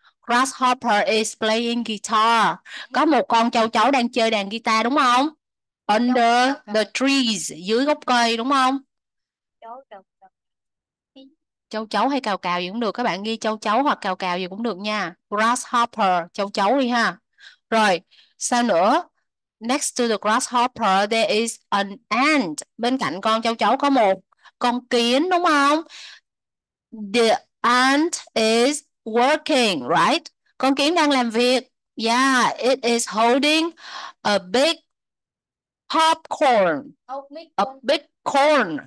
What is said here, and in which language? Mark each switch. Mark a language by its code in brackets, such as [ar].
[en] Grasshopper is playing guitar. [vi] Có một con châu chấu đang chơi đàn guitar đúng không? [en] Under the trees, [vi] dưới gốc cây đúng không? Châu chấu hay cào cào gì cũng được, các bạn ghi châu chấu hoặc cào cào gì cũng được nha. Grasshopper, châu chấu đi ha. Rồi, sao nữa? [en] Next to the grasshopper, there is an ant. [vi] Bên cạnh con châu chấu có một con kiến, đúng không? [en] The ant is working, right? [vi] Con kiến đang làm việc. [en] Yeah, it is holding a big popcorn. A big corn.